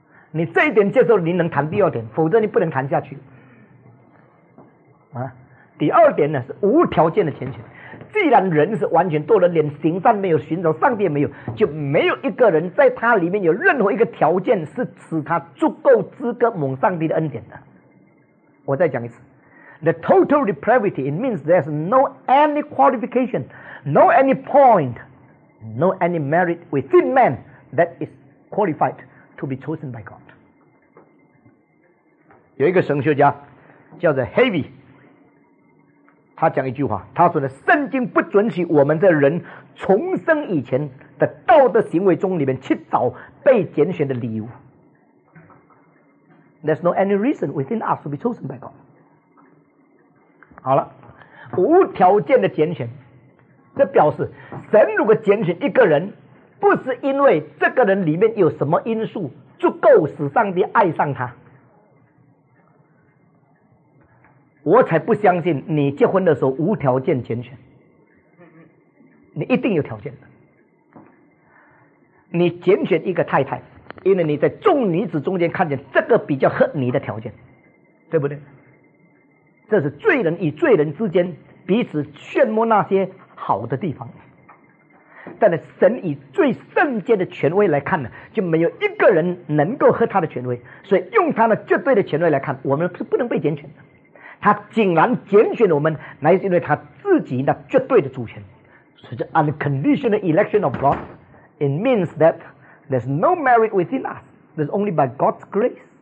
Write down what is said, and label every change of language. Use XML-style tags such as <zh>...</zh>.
<zh>你这一点接受，你能谈第二点，否则你不能谈下去。第二点呢是无条件的拣选。既然人是完全堕落，连行善没有，寻找上帝也没有，就没有一个人在他里面有任何一个条件是使他足够资格蒙上帝的恩典的。我再讲一次</zh> <en>，the total depravity it means there's no any qualification, no any point, no any merit within man that is qualified to be chosen by God。</en> <zh>有一个神学家叫做 Heavy。他讲一句话，他说呢，圣经不准许我们这人重生以前的道德行为中里面去找被拣选的理由。</zh> <en>There's no any reason within us to be chosen by God。</en> <zh>好了，无条件的拣选，这表示神如果拣选一个人，不是因为这个人里面有什么因素足够使上帝爱上他。我才不相信你结婚的时候无条件拣选，你一定有条件的。你拣选一个太太，因为你在众女子中间看见这个比较合你的条件，对不对？这是罪人与罪人之间彼此炫耀那些好的地方。但是神以最圣洁的权威来看呢，就没有一个人能够合他的权威，所以用他的绝对的权威来看，我们是不能被拣选的。他竟然拣选了我们，乃是因为他自己的绝对的主权。所以这</zh> <en>unconditional election of God it means that there's no merit within us, there's only by God's grace。</en>